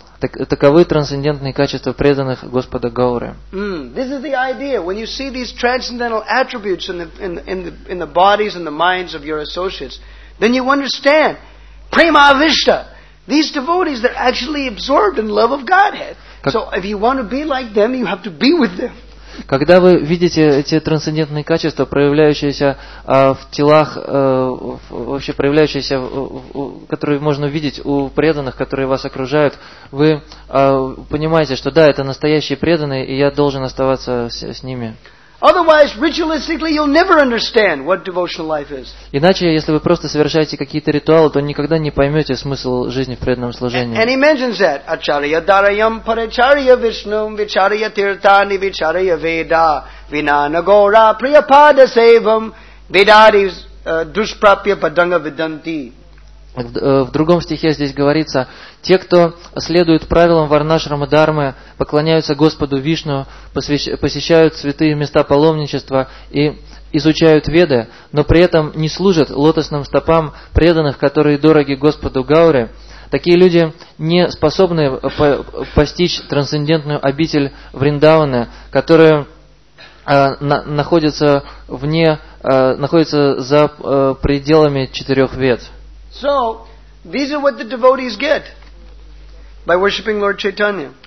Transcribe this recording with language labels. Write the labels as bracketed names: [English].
[Russian] Таковы трансцендентные качества преданных Господа Гауры. [English] This is the idea. When you see these transcendental attributes in the bodies and the minds of your associates, then you understand Prema Avishta. These devotees, they're actually absorbed in love of Godhead. So if you want to be like them, you have to be with them. [Russian] Когда вы видите эти трансцендентные качества, проявляющиеся в телах, вообще проявляющиеся, которые можно видеть у преданных, которые вас окружают, вы понимаете, что да, это настоящие преданные, и я должен оставаться с ними. [English] Otherwise, ritualistically, you'll never understand what devotional life is. [Russian] Иначе, если вы просто совершаете какие-то ритуалы, то никогда не поймете смысл жизни в преданном служении. [English] And he mentions that [Sanskrit] acharya darayam paracharya vishnum vicharya tirthani vicharya veda vinanagora priyapada sevam vidari dushprapya padanga vidanti. [Russian] В другом стихе здесь говорится: те, кто следует правилам варнашрама дармы, поклоняются Господу Вишну, посещают святые места паломничества и изучают веды, но при этом не служат лотосным стопам преданных, которые дороги Господу Гауре, такие люди не способны постичь трансцендентную обитель Вриндавана, которая находится за пределами четырех вед. [English] So, these are what the devotees get by worshipping Lord Chaitanya.